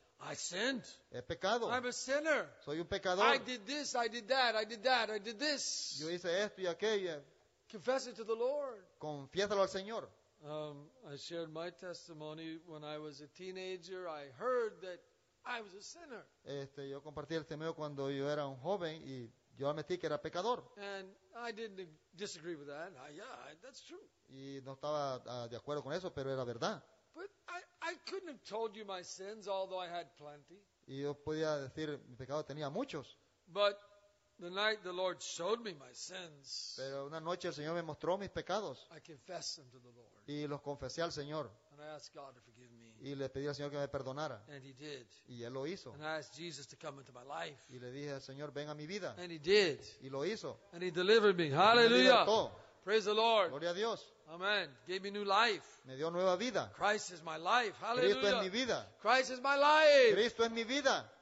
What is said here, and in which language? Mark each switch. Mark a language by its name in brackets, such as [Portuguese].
[English] I sinned. [Spanish] He pecado. [English] I'm a sinner. [Spanish] Soy un pecador. [English] I did this, I did that, I did that, I did this. [Spanish] Yo hice esto y aquello. [English] Confess it to the Lord. [Spanish] Confiésalo al Señor. [English] I shared my testimony when I was a teenager. I heard that I was a sinner. [Spanish] Yo compartí el testimonio cuando yo era un joven y yo admití que era pecador. [English] And I didn't disagree with that. That's true. [Spanish] Y no estaba de acuerdo con eso, pero era verdad. [English] But I couldn't have told you my sins, although I had plenty. [Spanish] Y yo podía decir mi pecado tenía muchos. [English] But the night the Lord showed me my sins. [Spanish] Pero una noche el Señor me mostró mis pecados. [English] I confessed them to the Lord. [Spanish] Y los confesé al Señor. [English] And I asked God to forgive me. [Spanish] Y le pedí al Señor que me perdonara. [English] And he did. [Spanish] Y él lo hizo. [English] And I asked Jesus to come into my life. [Spanish] Y le dije al Señor, ven a mi vida. [English] And he did. [Spanish] Y lo hizo. [English] And he delivered me. Hallelujah. Praise the Lord. [Spanish] Gloria a Dios. [English] Amen. Gave me new life. [Spanish] Me dio nueva vida. [English] Christ is my life. Hallelujah. [Spanish] Cristo es mi vida. [English] Christ is my life. [Spanish] Cristo es mi vida.